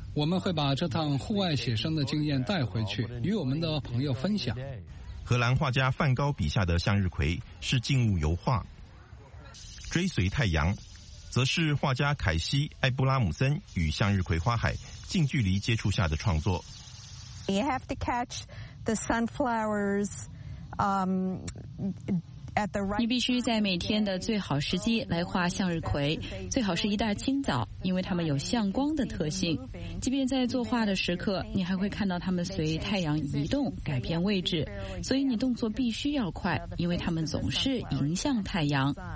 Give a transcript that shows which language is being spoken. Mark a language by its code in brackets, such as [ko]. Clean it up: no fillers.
[zh] 我们会把这趟户外写生的经验带回去，与我们的朋友分享。荷兰画家梵高笔下的向日葵是静物油画，追随太阳则是画家凯西·艾布拉姆森与向日葵花海近距离接触下的创作。 [en] You have to catch the sunflowers at the right. [zh] 你必须在每天的最好时机来画向日葵，最好是一大清早，因为它们有向光的特性。即便在作画的时刻，你还会看到它们随太阳移动改变位置，所以你动作必须要快，因为它们总是迎向太阳。